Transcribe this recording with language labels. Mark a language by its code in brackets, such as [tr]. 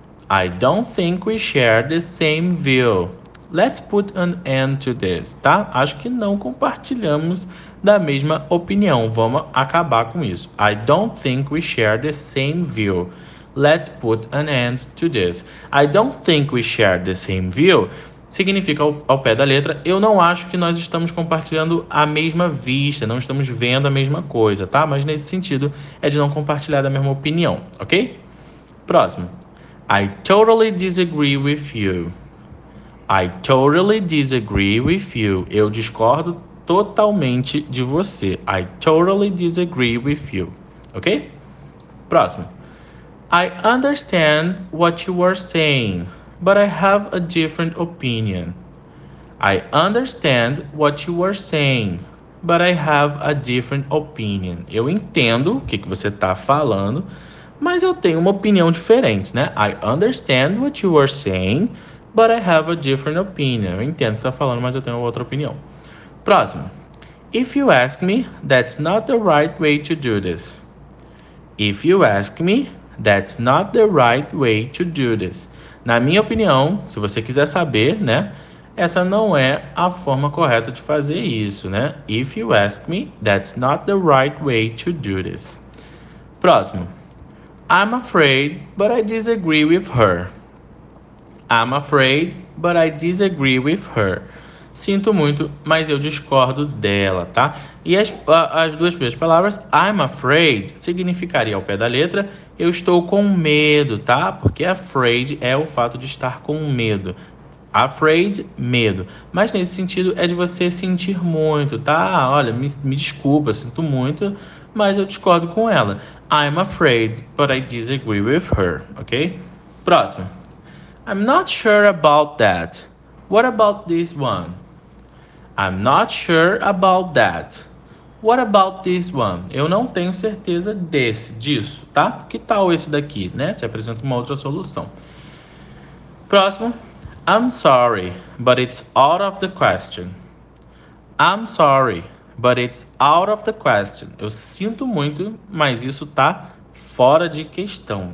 [en] I don't think we share the same view. Let's put an end to this. [pt] Tá? Acho que não compartilhamos da mesma opinião. Vamos acabar com isso. [en] I don't think we share the same view. Let's put an end to this. I don't think we share the same view. [pt] Significa ao pé da letra, eu não acho que nós estamos compartilhando a mesma vista, não estamos vendo a mesma coisa, tá? Mas nesse sentido, é de não compartilhar da mesma opinião, ok? Próximo. [en] I totally disagree with you. I totally disagree with you. [pt] Eu discordo totalmente de você. [en] I totally disagree with you. Ok? [pt] Próximo. [en] I understand what you are saying, but I have a different opinion. I understand what you are saying, but I have a different opinion. [pt] Eu entendo o que você está falando, mas eu tenho uma opinião diferente, né? [en] I understand what you are saying, but I have a different opinion. [pt] Eu entendo o que você está falando, mas eu tenho outra opinião. Próximo. [en] If you ask me, that's not the right way to do this. If you ask me, that's not the right way to do this. [pt] Na minha opinião, se você quiser saber, né? Essa não é a forma correta de fazer isso, né? [en] If you ask me, that's not the right way to do this. [pt] Próximo. [en] I'm afraid, but I disagree with her. I'm afraid, but I disagree with her. [pt] Sinto muito, mas eu discordo dela, tá? E as duas primeiras palavras, [en] I'm afraid, [pt] significaria ao pé da letra, eu estou com medo, tá? Porque afraid é o fato de estar com medo. Afraid, medo. Mas nesse sentido é de você sentir muito, tá? Olha, me desculpa, sinto muito, mas eu discordo com ela. [en] I'm afraid, but I disagree with her, ok? [pt] Próximo. [en] I'm not sure about that. What about this one? I'm not sure about that. What about this one? [pt] Eu não tenho certeza disso, tá? Que tal esse daqui, né? Se apresenta uma outra solução. Próximo. [en] I'm sorry, but it's out of the question. I'm sorry, but it's out of the question. [pt] Eu sinto muito, mas isso tá fora de questão.